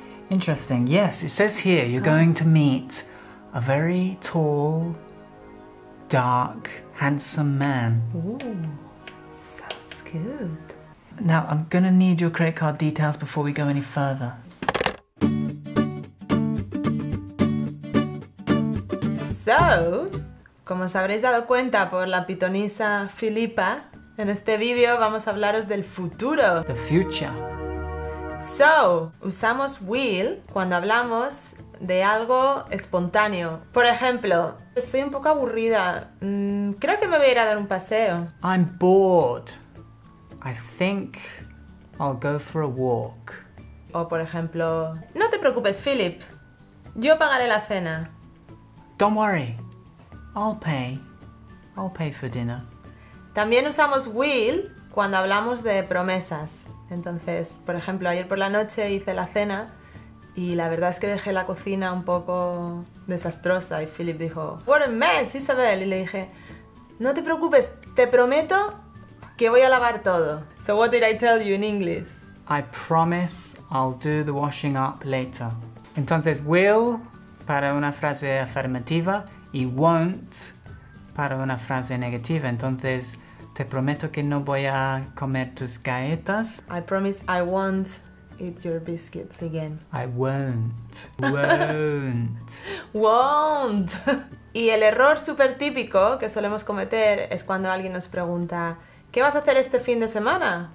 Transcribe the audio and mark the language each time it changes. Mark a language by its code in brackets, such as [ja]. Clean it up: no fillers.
[en] Interesting. Yes, it says here you're going to meet a very tall, dark, handsome man. Ooh, sounds good. Now, I'm gonna need your credit card details before we go any further. [es] So, como os habréis dado cuenta por la pitonisa Filipa, en este vídeo vamos a hablaros del futuro. [en] The future. [es] So, usamos will cuando hablamos de algo espontáneo. Por ejemplo, estoy un poco aburrida. Creo que me voy a ir a dar un paseo. [en] I'm bored. I think I'll go for a walk. [es] O por ejemplo, no te preocupes, Philip. Yo pagaré la cena. [en] Don't worry. I'll pay for dinner. [es] También usamos will cuando hablamos de promesas. Entonces, por ejemplo, ayer por la noche hice la cena y la verdad es que dejé la cocina un poco desastrosa y Philip dijo, [en] "What a mess, Isabel." [es] Y le dije, "No te preocupes, te prometo que voy a lavar todo." [en] So what did I tell you in English? I promise I'll do the washing up later. [es] Entonces, will para una frase afirmativa y won't para una frase negativa. Entonces, te prometo que no voy a comer tus galletas. [en] I promise I won't eat your biscuits again. I won't. Won't. Won't. [es] Y el error súper típico que solemos cometer es cuando alguien nos pregunta, ¿qué vas a hacer este fin de semana?